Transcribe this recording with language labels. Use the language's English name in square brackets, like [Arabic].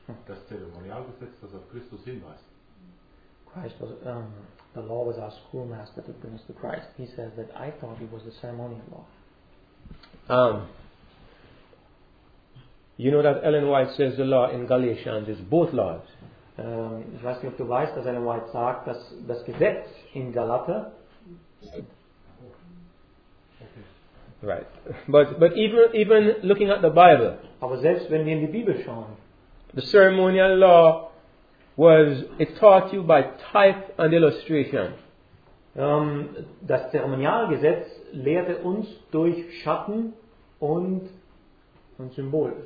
[German] Das Zeremonialgesetz, das auf Christus hinweist. [English] Christ was the law was our schoolmaster to bring us to Christ. He says that I thought it was the ceremonial law. You know that Ellen White says the law in Galatians is both laws. [German] Ich weiß nicht, ob du weißt, dass Ellen White sagt, dass das Gesetz in Galater. [English] Right. But even looking at the Bible. [German] Aber selbst wenn wir in die Bibel schauen. [English] The ceremonial law was it taught you by type and illustration. [German] Das Zeremonialgesetz lehrte uns durch Schatten und Symbol.